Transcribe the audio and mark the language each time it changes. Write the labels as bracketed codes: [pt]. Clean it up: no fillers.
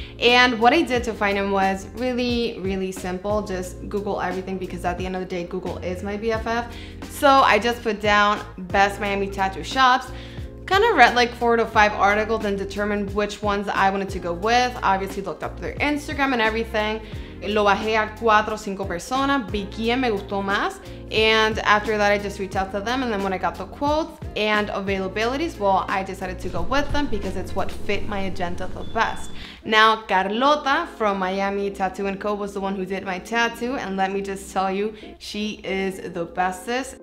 [en] And what I did to find him was really, really simple. Just Google everything, because at the end of the day, Google is my BFF. So I just put down best Miami tattoo shops, kind of read like 4 to 5 articles and determined which ones I wanted to go with. Obviously looked up their Instagram and everything. [es] Lo bajé a 4 o 5 personas, vi quién me gustó más. [en] And after that, I just reached out to them. And then when I got the quotes and availabilities, well, I decided to go with them because it's what fit my agenda the best. Now, Carlota from Miami Tattoo & Co. was the one who did my tattoo. And let me just tell you, she is the bestest.